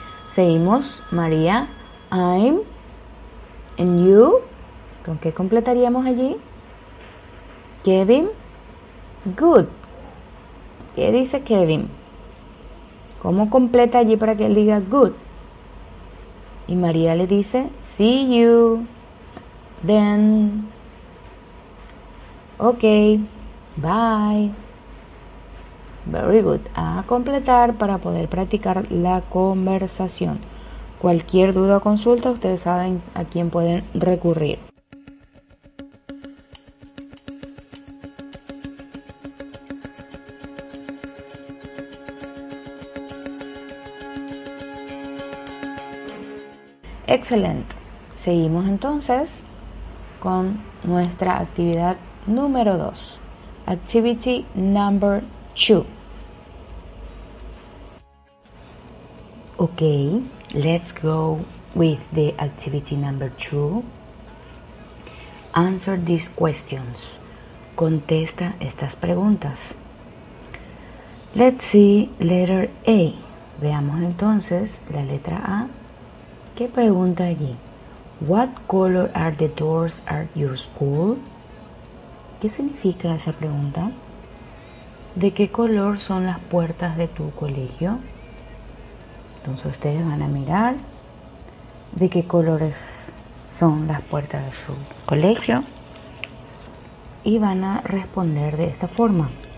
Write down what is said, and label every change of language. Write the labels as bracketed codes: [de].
[en] Seguimos. María, I'm. And you. [es] ¿Con qué completaríamos allí? Kevin, good. ¿Qué dice Kevin? ¿Cómo completa allí para que él diga good? Y María le dice, [en] see you, then, ok, bye, very good. [es] A completar para poder practicar la conversación. Cualquier duda o consulta, ustedes saben a quién pueden recurrir. Excelente. Seguimos entonces con nuestra actividad número 2. [en] Activity number 2. Ok, let's go with the activity number 2. Answer these questions. [es] Contesta estas preguntas. [en] Let's see letter A. [es] Veamos entonces la letra A. ¿Qué pregunta allí? [en] What color are the doors at your school? [es] ¿Qué significa esa pregunta? ¿De qué color son las puertas de tu colegio? Entonces ustedes van a mirar de qué colores son las puertas de su colegio y van a responder de esta forma.